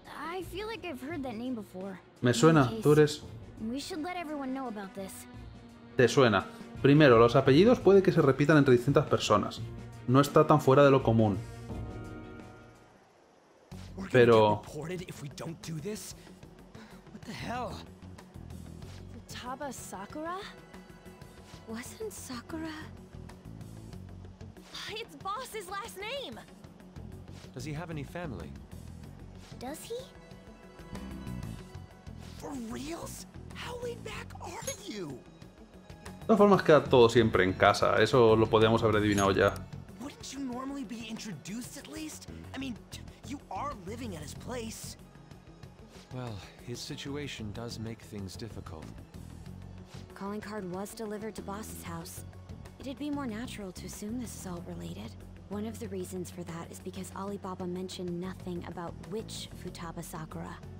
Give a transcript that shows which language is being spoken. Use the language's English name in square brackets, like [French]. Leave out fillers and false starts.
[English] I feel like I've heard that name before. [Spanish] Me suena, tú eres. [English] We should let everyone know about this. [Spanish] Te suena. Primero, los apellidos puede que se repitan entre distintas personas. No está tan fuera de lo común. Pero. [English] Futaba Sakura? Wasn't Sakura? It's boss's last name. Does he have any family? Does he? For reals? How laid back are you? [Spanish] De todas formas, queda todo siempre en casa. Eso lo podíamos haber adivinado ya. [English] Wouldn't you normally be introduced at least? I mean, you are living at his place. Well, his situation does make things difficult. Calling card was delivered to boss's house. It'd be more natural to assume this is all related. One of the reasons for that is because Alibaba mentioned nothing about which Futaba Sakura.